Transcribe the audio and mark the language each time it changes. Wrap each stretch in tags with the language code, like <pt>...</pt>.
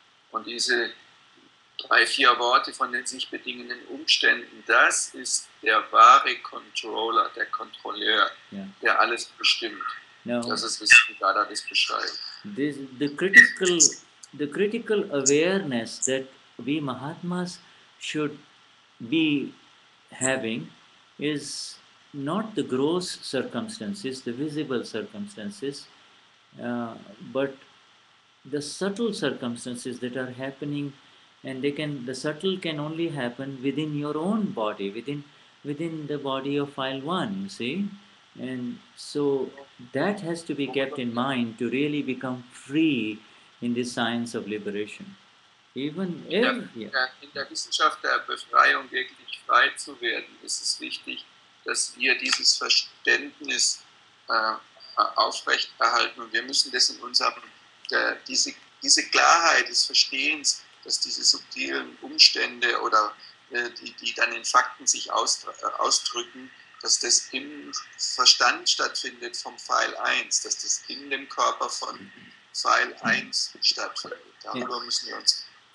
<de>Und diese drei, vier Worte von den sich bedingenden Umständen, das ist der wahre Controller, der Kontrolleur, der alles bestimmt. Now, das ist, wie Dada das beschreibt.</de> <en>The critical awareness that we Mahatmas should be having is not the gross circumstances, the visible circumstances, but the subtle circumstances that are happening, and the subtle can only happen within your own body, within the body of file one, you see. And so that has to be kept in mind to really become free in this science of liberation.</en> <de>In der Wissenschaft der Befreiung wirklich frei zu werden, ist es wichtig, dass wir dieses Verständnis aufrechterhalten, und wir müssen das in unserem, diese Klarheit des Verstehens, dass diese subtilen Umstände oder die dann in Fakten sich ausdrücken, dass das im Verstand stattfindet vom File 1, dass das in dem Körper von File 1 stattfindet. Darüber müssen wir uns</de>